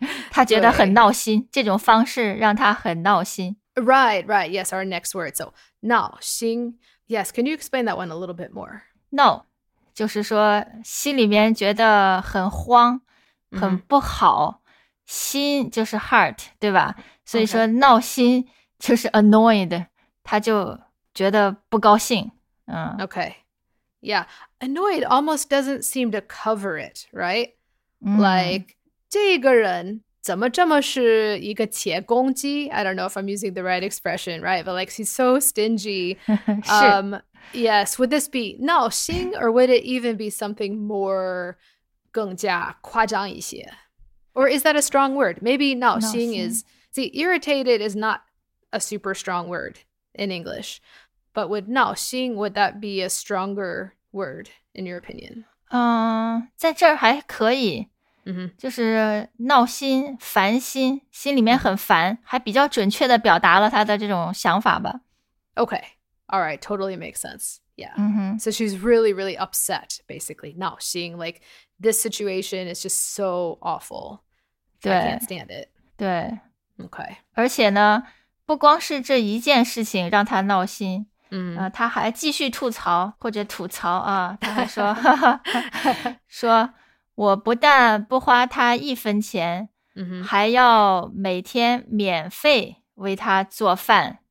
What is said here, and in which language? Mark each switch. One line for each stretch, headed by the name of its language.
Chinese: 她觉得很闹心，这种方式让她很闹心。
English: Right, right. Yes, our next word. So, 闹心. Yes, can you explain that one a little bit more?
Chinese: 闹就是说心里面觉得很慌很不好、mm-hmm. 心就是 heart 对吧所以说闹心就是 annoyed 他就觉得不高兴、嗯、
English: Okay Yeah Annoyed almost doesn't seem to cover it Right、mm-hmm. Like
Chinese: 这个人怎么这么是一个铁公鸡
English: I don't know if I'm using the right expression Right But like he's so stingy
Chinese: 是、
English: Yes, would this be 闹心 or would it even be something more
Chinese: 更加夸张一些
English: Or is that a strong word? Maybe 闹心 is, see, irritated is not a super strong word in English. But would 闹心, would that be a stronger word in your opinion?
Chinese: 在这儿还可以、 mm-hmm. 就是闹心烦心心里面很烦还比较准确地表达了他的这种想法吧。
English: Okay. All right, totally makes sense. Yeah.、 Mm-hmm. So she's really, really upset, basically. Now seeing like this situation is just so awful. I can't stand it.
Chinese: 对。
English: Okay.
Chinese: 而且呢，不光是这一件事情让她闹心，嗯、 mm. 她还继续吐槽或者吐槽啊，她还说说我不但不花她一分钱， mm-hmm. 还要每天免费为她做饭。